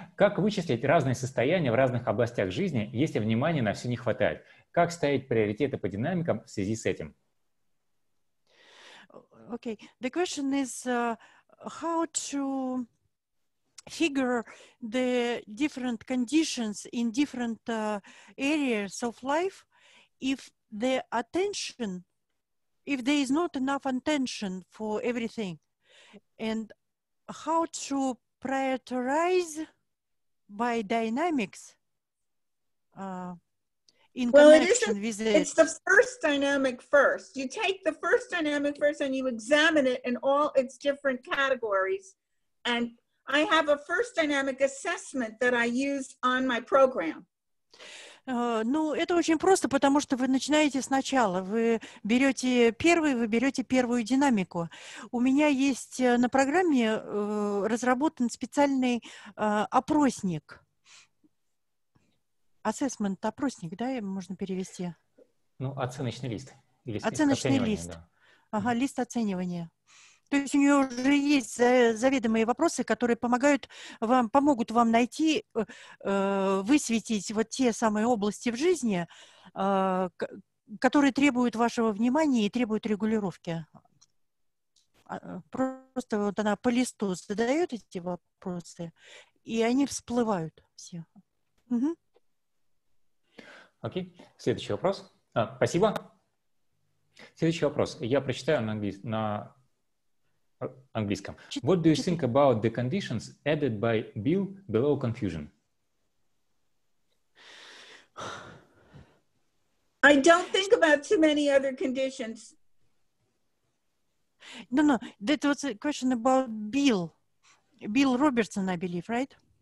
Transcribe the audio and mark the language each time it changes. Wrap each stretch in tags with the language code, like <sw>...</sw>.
<ru>Как вычислить разные состояния в разных областях жизни, если внимания на все не хватает? Как ставить приоритеты по динамикам в связи с этим?</ru> <en>Okay, the question is how to figure the different conditions in different areas of life if the attention, if there is not enough attention for everything, and how to prioritize by dynamics in connection with it. It's the first dynamic first. You take the first dynamic first and you examine it in all its different categories. And I have a first dynamic assessment that I use on my program.</en> <ru>Ну, это очень просто, потому что вы начинаете сначала. Вы берете первую динамику. У меня есть на программе разработан специальный опросник. Assessment, опросник, да, можно перевести? Ну, оценочный лист. Оценочный лист. Да. Ага, лист оценивания. То есть у нее уже есть заведомые вопросы, которые помогут вам найти, высветить вот те самые области в жизни, которые требуют вашего внимания и требуют регулировки. Просто вот она по листу задает эти вопросы, и они всплывают все. Окей. Следующий вопрос. Спасибо. Следующий вопрос. Я прочитаю на английском.</ru> <en>What do you think about the conditions added by Bill below confusion? I don't think about too many other conditions. No, that was a question about Bill. Bill Robertson, I believe, right?</en>